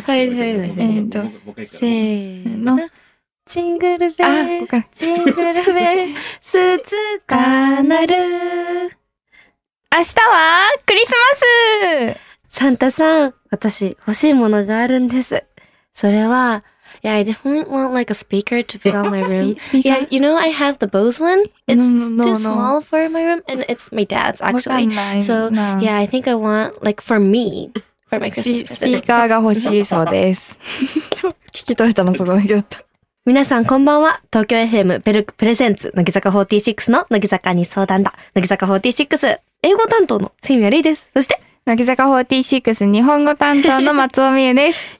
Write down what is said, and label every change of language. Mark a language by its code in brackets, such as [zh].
[ja] 入れない、せーの。ジングルベー、ジングルベー、鈴鹿なる。明日はクリスマス。サンタさん、私欲しいものがあるんです。それは、 [en] Yeah, I definitely want like a speaker to put on my room. Speaker? Yeah, you know I have the Bose one. It's too small for my room, and it's my dad's actually. So yeah, I think I want like for me for my Christmas present. [ja] Speaker が欲しいそうです。聞き取れたのそこだけだった。皆さんこんばんは。東京 FM ベルクプレゼンツ乃木坂46の乃木坂に相談だ。乃木坂46英語担当の清宮玲です。そして乃木坂46日本語担当の松尾美優です。